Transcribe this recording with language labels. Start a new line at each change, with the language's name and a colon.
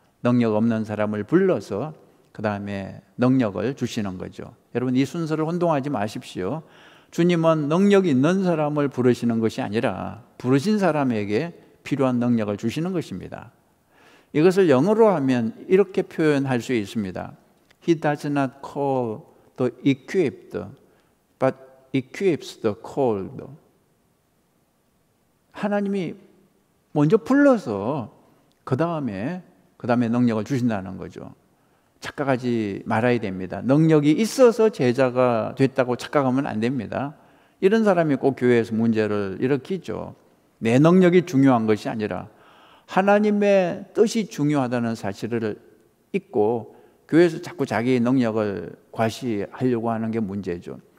Korean: 능력 없는 사람을 불러서 그 다음에 능력을 주시는 거죠. 여러분 이 순서를 혼동하지 마십시오. 주님은 능력 있는 사람을 부르시는 것이 아니라 부르신 사람에게 필요한 능력을 주시는 것입니다. 이것을 영어로 하면 이렇게 표현할 수 있습니다.
English: He does not call the equipped, but equips the called.
Korean: 하나님이 먼저 불러서 그 다음에 능력을 주신다는 거죠. 착각하지 말아야 됩니다. 능력이 있어서 제자가 됐다고 착각하면 안 됩니다. 이런 사람이 꼭 교회에서 문제를 일으키죠. 내 능력이 중요한 것이 아니라 하나님의 뜻이 중요하다는 사실을 잊고 교회에서 자꾸 자기의 능력을 과시하려고 하는 게 문제죠.